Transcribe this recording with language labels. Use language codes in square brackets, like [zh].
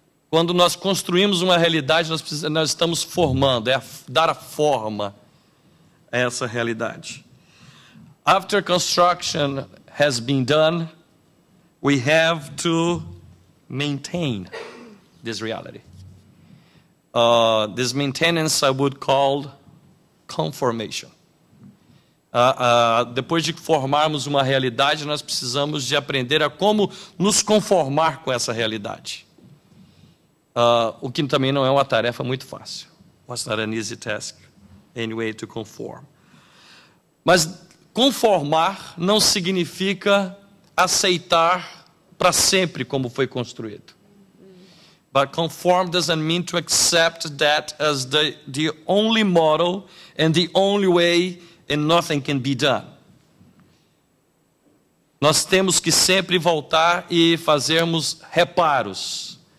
[pt] Quando nós construímos uma realidade, nós estamos formando, é dar a forma a essa realidade. [en] After construction has been done, we have to maintain this reality. This maintenance I would call conformation. [pt] Depois de formarmos uma realidade, nós precisamos de aprender a como nos conformar com essa realidade. O que também não é uma tarefa muito fácil. [en] It's not an easy task, anyway, to conform. [pt] Mas conformar não significa aceitar para sempre como foi construído. [en] But conform doesn't mean to accept that as the only model and the only way and nothing can be done. [pt] Nós temos que sempre voltar e fazermos reparos.